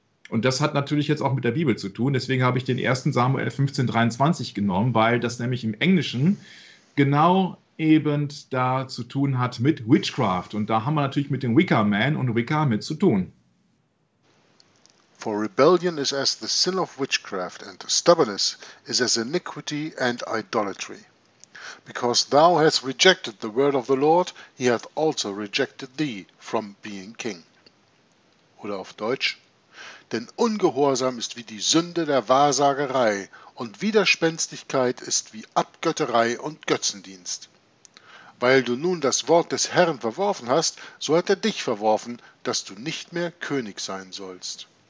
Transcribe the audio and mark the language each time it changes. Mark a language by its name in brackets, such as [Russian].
[German] Und das hat natürlich jetzt auch mit der Bibel zu tun. Deswegen habe ich den 1. Samuel 15,23 genommen, weil das nämlich im Englischen genau eben da zu tun hat mit Witchcraft. Und da haben wir natürlich mit dem Wicker Man und Wicker mit zu tun. [English] For rebellion is as the sin of witchcraft and stubbornness is as iniquity and idolatry. Because thou hast rejected the word of the Lord, he hath also rejected thee from being king. [German] oder auf Deutsch, denn Ungehorsam ist wie die Sünde der Wahrsagerei und Widerspenstigkeit ist wie Abgötterei und Götzendienst. Weil du nun das Wort des Herrn verworfen hast, so hat er dich verworfen, dass du nicht mehr König sein sollst.